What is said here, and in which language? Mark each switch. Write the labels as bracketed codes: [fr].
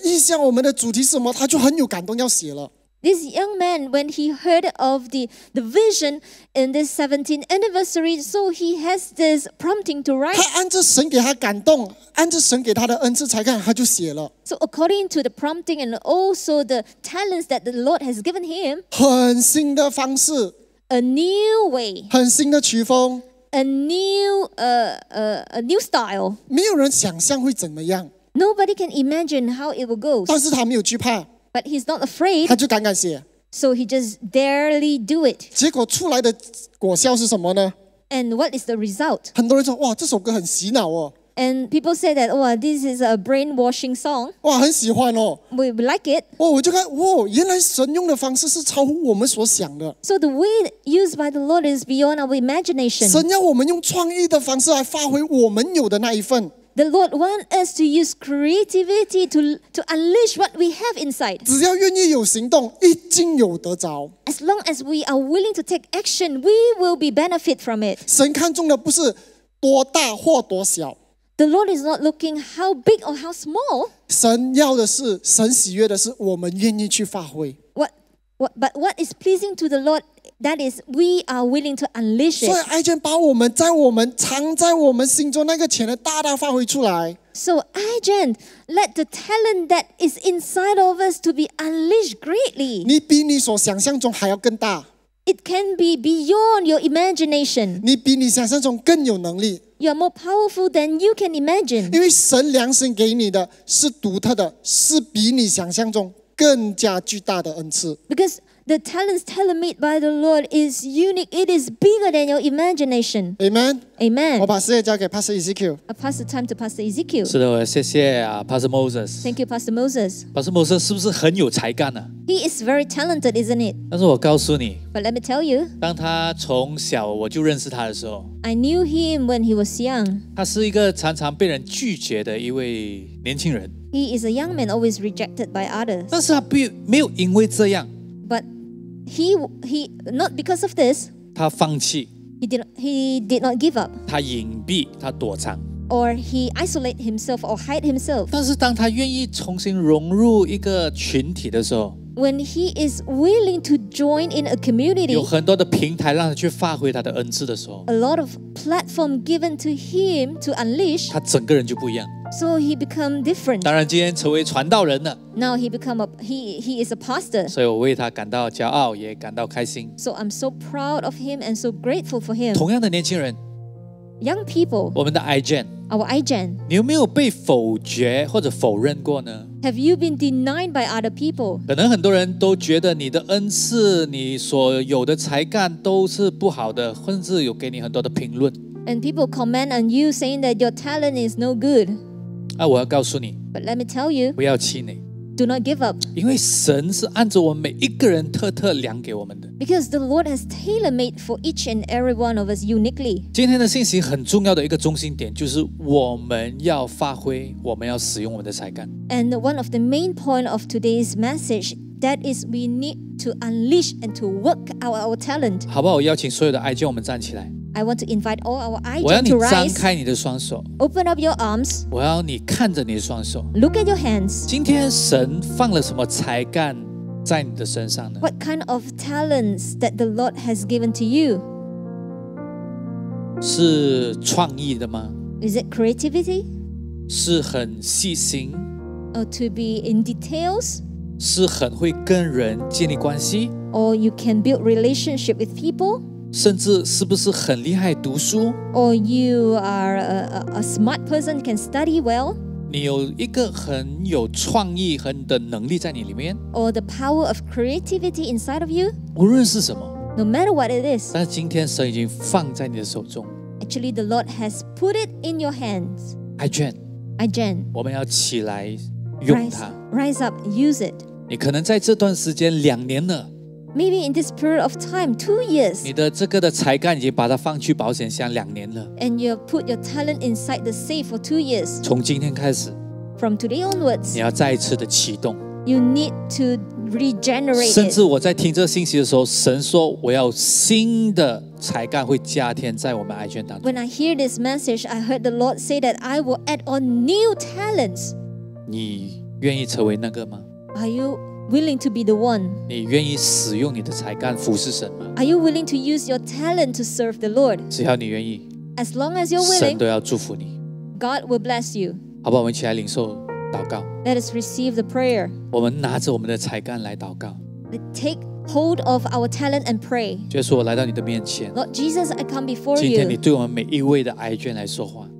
[zh] 原来这个年轻人一听到我们17周年，我们的意向，我们的主题是什么，他就很有感动要写了。 [en] This young man, when he heard of the vision in this 17th anniversary, so he has this prompting to write. [zh] 他按着神给他感动，按着神给他的恩赐才干，他就写了。 [en] So according to the prompting and also the talents that the Lord has given him, [zh] 很新的方式, [en] a new way, [zh] 很新的曲风, [en] A new style. [zh] 没有人想象会怎么样。 [en] Nobody can imagine how it will go. [zh] 但是他没有惧怕。 [en] But he's not afraid. [zh] 他就敢敢写。 [en] So he just darely do it. [zh] 结果出来的果效是什么呢？ [en] And what is the result? [zh] 很多人说哇，这首歌很洗脑哦。 [en] And people say that, wow, this is a brainwashing song. [zh] 哇，很喜欢哦。 [en] We like it. [zh] 哦，我就看，哇，原来神用的方式是超乎我们所想的。 [en] So the way used by the Lord is beyond our imagination. [zh] 神要我们用创意的方式来发挥我们有的那一份。 [en] The Lord wants us to use creativity to unleash what we have inside. [zh] 只要愿意有行动，一定有得着。 [en] As long as we are willing to take action, we will be benefit from it. [zh] 神看重的不是多大或多小。 [en] The Lord is not looking how big or how small. [zh] 神要的是，神喜悦的是，我们愿意去发挥。 [en] But what is pleasing to the Lord? That is, we are willing to unleash it. [zh] 所以爱娟把我们在我们藏在我们心中那个潜能大大发挥出来。 [en] So Ajahn, let the talent that is inside of us to be unleashed greatly. [zh] 你比你所想象中还要更大。 [en] It can be beyond your imagination. [zh] 你比你想象中更有能力。 [en] You are more powerful than you can imagine. [zh] 因为神量身给你的是独特的，是比你想象中更加巨大的恩赐。 [en] Because the talents tailor-made by the Lord is unique. It is bigger than your imagination. Amen. Amen. [zh] 我把事业交给 Pastor Ezekiel. [en] I pass the time to Pastor Ezekiel. [zh] 是的，我谢谢啊 Pastor Moses. [en] Thank you, Pastor Moses. [zh] Pastor Moses 是不是很有才干啊？ [en] He is very talented, isn't it? [zh] 但是我告诉你， [en] But let me tell you. [zh] 当他从小我就认识他的时候， [en] I knew him when he was young. [zh] 他是一个常常被人拒绝的一位年轻人。 [en] He is a young man always rejected by others. [zh] 但是他不没有因为这样。 [en] But he not because of this. [zh] 他放弃。 [en] He did not give up. [zh] 他隐蔽，他躲藏。 [en] Or he isolate himself or hide himself. [zh] 但是当他愿意重新融入一个群体的时候。 [en] When he is willing to join in a community, [zh] 有很多的平台让他去发挥他的恩赐的时候 [en] ，a lot of platform given to him to unleash, [zh] 他整个人就不一样。 [en] So he become different. [zh] 当然，今天成为传道人了。 [en] Now he become he is a pastor. [zh] 所以我为他感到骄傲，也感到开心。 [en] So I'm so proud of him and so grateful for him. [zh] 同样的年轻人 [en] ，young people, [zh] 我们的 iGen, [en] our iGen, [zh] 你有没有被否决或者否认过呢？ [en] Have you been denied by other people? [zh] 可能很多人都觉得你的恩赐，你所有的才干都是不好的，甚至有给你很多的评论。 [en] And people comment on you saying that your talent is no good. [zh] 啊，我要告诉你。 [en] But let me tell you. [zh] 不要气馁。 [en] Do not give up. [zh] 因为神是按着我们每一个人特特量给我们的。 [en] Because the Lord has tailor-made for each and every one of us uniquely. [zh] 今天的信息很重要的一个中心点就是我们要发挥，我们要使用我们的才干。 [en] And one of the main point of today's message, that is we need to unleash and to work out our talent. [zh] 好不好？我邀请所有的爱将我们站起来。 [en] I want to invite all our eyes to rise. [zh] 我要你张开你的双手。 [en] Open up your arms. [zh] 我要你看着你的双手。 [en] Look at your hands. [zh] 今天神放了什么才干在你的身上呢？ [en] What kind of talents that the Lord has given to you? [zh] 是创意的吗？ [en] Is it creativity? [zh] 是很细心。 [en] Or to be in details? [zh] 是很会跟人建立关系。 [en] Or you can build relationship with people? [zh] 甚至是不是很厉害读书 [en] ？Or you are a smart person can study well？ [zh] 你有一个很有创意和的能力在你里面 [en] ？Or the power of creativity inside of you？ [zh] 无论是什么 [en] ，No matter what it is， [zh] 但是今天神已经放在你的手中。 [en] Actually, the Lord has put it in your hands. [zh] I Jen， 我们要起来用它。 [en] Rise up, use it. [zh] 你可能在这段时间两年了。 [en] Maybe in this period of time, 2 years. [zh] 你的这个的才干已经把它放去保险箱两年了。 [en] And you put your talent inside the safe for 2 years. [zh] 从今天开始。 [en] From today onwards. [zh] 你要再一次的启动。 [en] You need to regenerate. [zh] 甚至我在听这个信息的时候，神说我要新的才干会加添在我们爱圈当中。 [en] When I hear this message, I heard the Lord say that I will add on new talents. [zh] 你愿意成为那个吗？ [en] Are you? Willing to be the one. [zh] 你愿意使用你的才干服侍神吗？ [en] Are you willing to use your talent to serve the Lord? [zh] 只要你愿意， [en] as long as you're willing, [zh] 神都要祝福你。 [en] God will bless you. [zh] 好吧，我们一起来领受祷告。 [en] Let us receive the prayer. [zh] 我们拿着我们的才干来祷告。 [en] Take hold of our talent and pray. [zh] 耶稣，我来到你的面前。 [en] Lord Jesus, I come before you. [zh] 今天你对我们每一位的爱眷来说话。